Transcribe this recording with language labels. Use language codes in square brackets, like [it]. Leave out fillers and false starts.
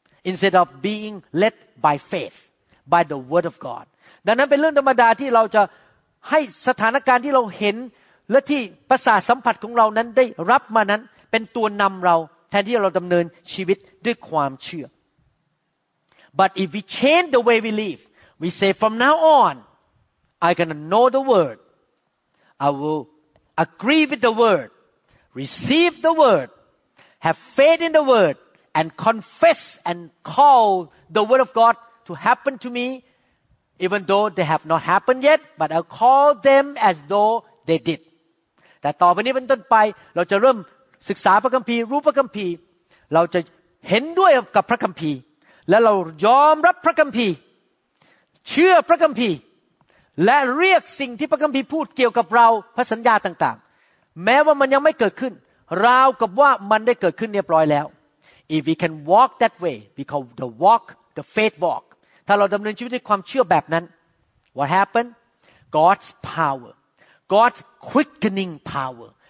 [en] instead of being led by faith by the word of God [th] ดังนั้นเป็นเรื่องธรรมดาที่เราจะให้สถานการณ์ที่เราเห็นและที่ประสาทสัมผัสของเรานั้นได้รับมานั้นเป็นตัวนำเราแทนที่เราดำเนินชีวิตด้วยความเชื่อ [en] But if we change the way we live we say from now onI gonna know the word. I will agree with the word, receive the word, have faith in the word, and confess and call the word of God to happen to me, even though they have not happened yet. But I'll call them as though they did. [th] แต่ต่อไปนี้เป็นต้นไปเราจะเริ่มศึกษาพระคัมภีร์รู้พระคัมภีร์เราจะเห็นด้วยกับพระคัมภีร์และเรายอมรับพระคัมภีร์เชื่อพระคัมภีร์ และเรียกสิ่งที่พระคัมภีร์พูดเกี่ยวกับเราพระสัญญาต่างๆแม้ว่ามันยังไม่เกิดขึ้นราวกับว่ามันได้เกิดขึ้นเรียบร้อยแล้ว [en] If we can walk that way we call the walk the faith walk [th] ถ้าเราดำเนินชีวิตด้วยความเชื่อแบบนั้น [en] What happened God's power God's quickening power